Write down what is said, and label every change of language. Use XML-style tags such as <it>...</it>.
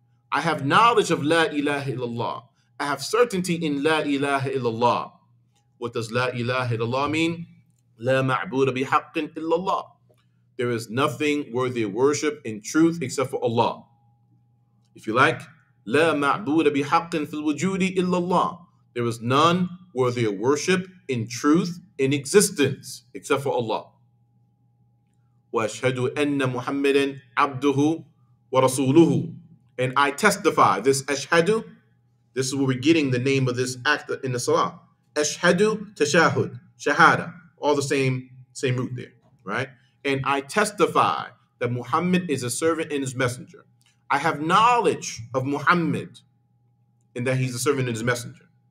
<en>I have knowledge of la ilaha illallah. I have certainty in la ilaha illallah. What does la ilaha illallah mean?</en> <ar>La ma'buda bihaqqin illallah.</ar> <en>There is nothing worthy of worship in truth except for Allah. If you like,</en> <ar>لا معبود بحق في الوجود إلا الله.</ar> <en>There is none worthy of worship in truth in existence except for Allah.</en> <ar>وأشهد أن محمدا عبده ورسوله.</ar> <en>And I testify, this أشهد, this is where we're getting the name of this act in the Salah. أشهد تشاهد, شهادة, all the same root there, right? And I testify that Muhammad is a servant and his messenger. I have knowledge of Muhammad and that he's a servant and his messenger.</en>